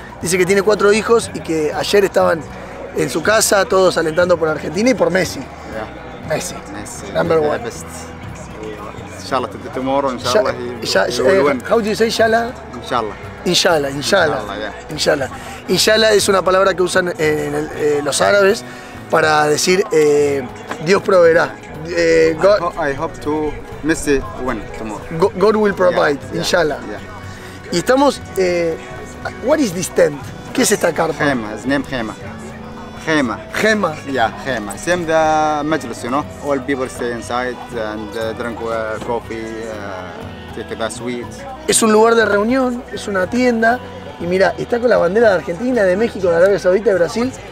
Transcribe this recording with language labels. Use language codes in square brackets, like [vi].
[es] Dice que tiene cuatro hijos y que ayer estaban en su casa todos alentando por Argentina y por Messi. [en] Yeah. Messi. Number one. Best. Inshallah, tomorrow, inshallah, he will win. How do you say inshallah? Inshallah. Inshallah, yeah. [es] Inshallah es una palabra que usan los árabes para decir Dios proveerá. [en] I hope to miss it when tomorrow. God will provide, yeah, inshallah. Yeah. [es] Y estamos, [en] what is this tent? [es] ¿Qué es esta carpa? [en] Khema, his name Khema. Khema. Khema. Yeah, Khema. Same the majlis, you know. All people stay inside and drink coffee, take the sweets. [es] Es un lugar de reunión, es una tienda. Y mira, está con la bandera de Argentina, de México, de Arabia Saudita y Brasil.